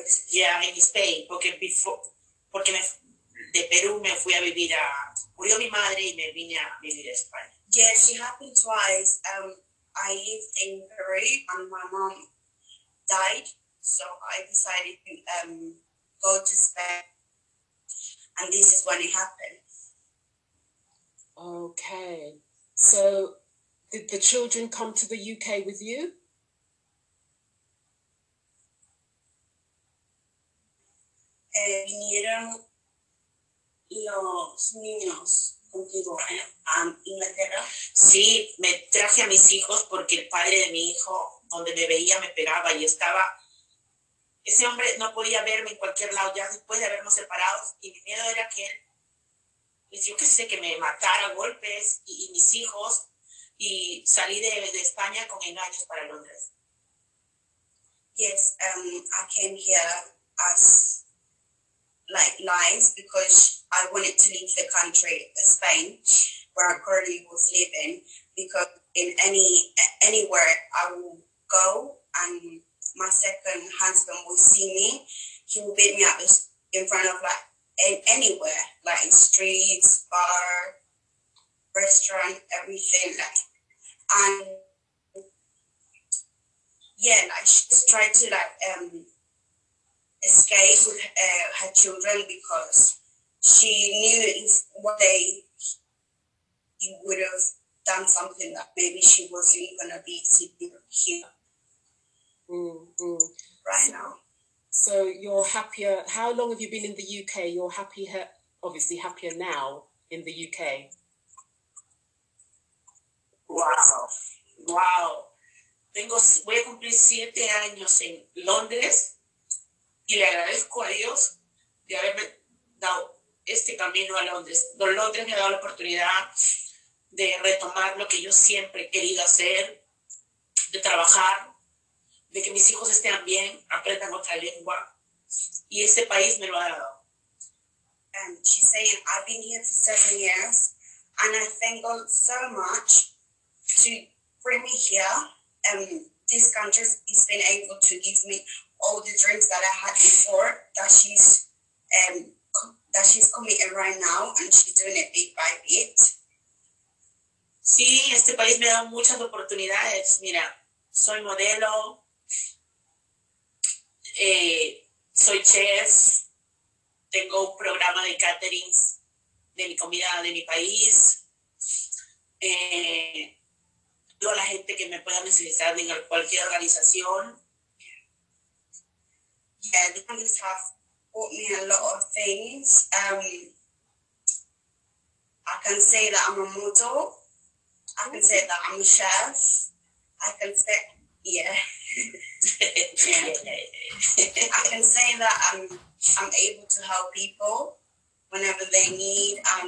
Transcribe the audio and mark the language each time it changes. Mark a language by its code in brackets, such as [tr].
[en] Yeah, in Spain, [es] porque de Peru me fui a vivir a murió mi madre y me vine a vivir a España. [en] Yes, it happened twice. I lived in Peru and my mom died. So I decided to go to Spain, and this is when it happened. Okay. So did the children come to the UK with you? [es] Vinieron los niños contigo en Inglaterra. Sí, me traje a mis hijos porque el padre de mi hijo, donde me veía, me pegaba y estaba... Ese hombre no podía verme en cualquier lado ya después de habernos separado y mi miedo era que él, pues yo qué sé, que me matara a golpes y mis hijos y salí de España con engaños para Londres. [en] Yes, I came here as like lies because I wanted to leave the country, Spain, where I currently was living, because in anywhere I will go and my second husband will see me, he will beat me up in front of like anywhere, like streets, bar, restaurant, everything. Like, and yeah, like she's trying to like escape with her children because she knew if one day he would have done something that maybe she wasn't gonna be sitting here. So you're happier. How long have you been in the UK? You're happy, obviously happier now in the UK. Wow. [es] Voy a cumplir 7 años en Londres y le agradezco a Dios de haberme dado este camino a Londres. Londres me ha dado la oportunidad de retomar lo que yo siempre he querido hacer, de trabajar, de que mis hijos estén bien, aprendan otra lengua. Y este país me lo ha dado. [en] And she's saying, I've been here for 7 years, and I thank God so much to bring me here. This country has been able to give me all the dreams that I had before, that she's committed right now, and she's doing it bit by bit. [es] Sí, este país me da muchas oportunidades. Mira, soy modelo, soy chef, tengo un programa de caterings de mi comida de mi país. Toda la gente que me pueda necesitar en cualquier organización. [en] Yeah, the countries have taught me a lot of things. I can say that I'm a model. I can say that I'm a chef. I can say, yeah. I can say that I'm able to help people whenever they need.